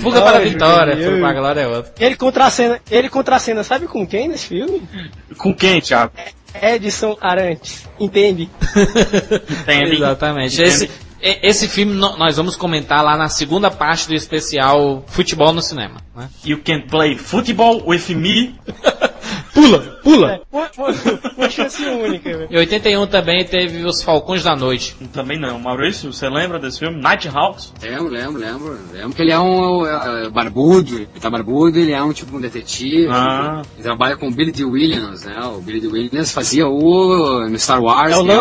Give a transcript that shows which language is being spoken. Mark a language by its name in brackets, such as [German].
[Portuguese] Fuga para a Vitória, Fuga para a Glória é outro. Ele contracena, sabe com quem nesse filme? Com quem, Thiago? Edson Arantes, entende? Entende. Exatamente. Esse filme nós vamos comentar lá na segunda parte do especial Futebol no Cinema. Né? [English] You can play football with me. [Portuguese] Pula. Uma chance única. Véio. Em 81 também teve Os Falcões da Noite. Também não. Maurício, você lembra desse filme? Nighthawks? Lembro. Lembro que ele é um barbudo. Ele tá barbudo, ele é um tipo um detetive. Ah. Ele trabalha com o Billy Dee Williams, né? O Billy Dee Williams fazia no Star Wars.